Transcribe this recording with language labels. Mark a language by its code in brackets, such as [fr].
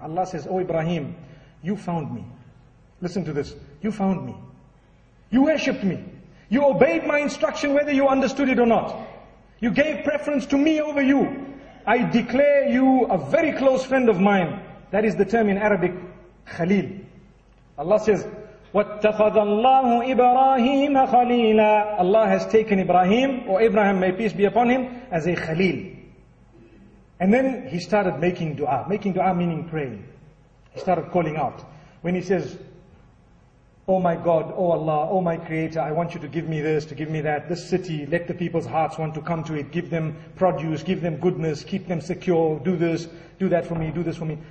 [en] Allah says, oh Ibrahim, you found me. Listen to this. You found me. You worshipped me. You obeyed my instruction whether you understood it or not. You gave preference to me over you. I declare you a very close friend of mine. That is the term in Arabic, Khalil. Allah says, [ar] وَاتَّخَذَ اللَّهُ إِبْرَاهِيمَ خَلِيلًا. [en] Allah has taken Ibrahim, or Abraham, may peace be upon him, as a Khalil. And then he started making dua. Making dua meaning praying. He started calling out. When he says, oh my God, oh Allah, oh my Creator, I want you to give me this, to give me that, this city, let the people's hearts want to come to it, give them produce, give them goodness, keep them secure, do this, do that for me, do this for me.